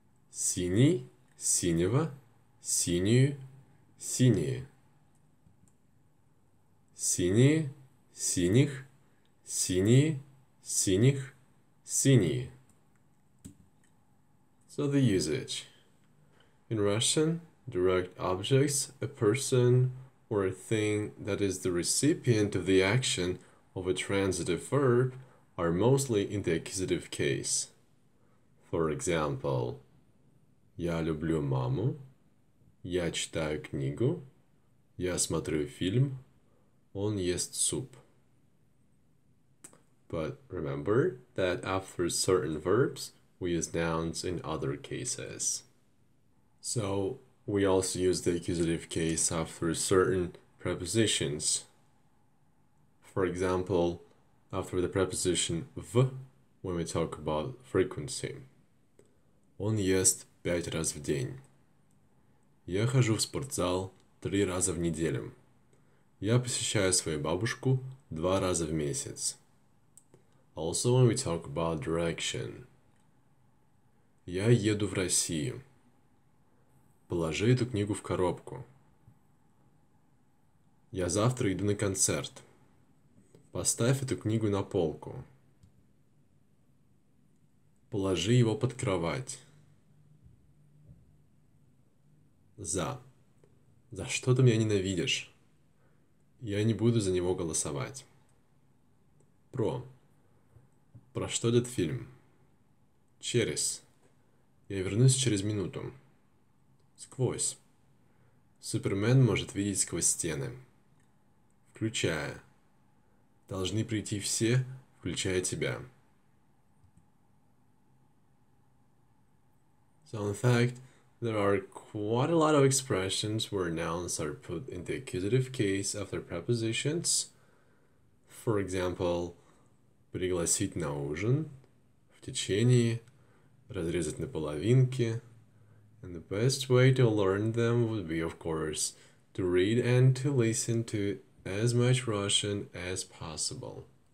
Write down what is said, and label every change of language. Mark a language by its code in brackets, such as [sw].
[ru] Синий, синего, синюю, синие. Синие, синих, синие, синих, синие. [en] So the usage. In Russian, direct objects, a person or a thing that is the recipient of the action of a transitive verb are mostly in the accusative case. For example, [ru] я люблю маму, я читаю книгу, я смотрю фильм, он ест суп. [en] But remember that after certain verbs, we use nouns in other cases. So, we also use the accusative case after certain prepositions. For example, after the preposition V, when we talk about frequency. [ru] Он ест 5 раз в день. Я хожу в спортзал 3 раза в неделю. Я посещаю свою бабушку 2 раза в месяц. [en] Also, when we talk about direction. [ru] Я еду в Россию. Положи эту книгу в коробку. Я завтра иду на концерт. Поставь эту книгу на полку. Положи его под кровать. За. За что ты меня ненавидишь? Я не буду за него голосовать. Про. Про что этот фильм? Через. Я вернусь через минуту. Сквозь. Супермен может видеть сквозь стены. Включая. Должны прийти все, включая тебя. [en] So in fact, there are quite a lot of expressions where nouns are put in the accusative case after prepositions. For example, [ru] пригласить на ужин, в течение, разрезать на половинки. [en] And the best way to learn them would be, of course, to read and to listen to as much Russian as possible.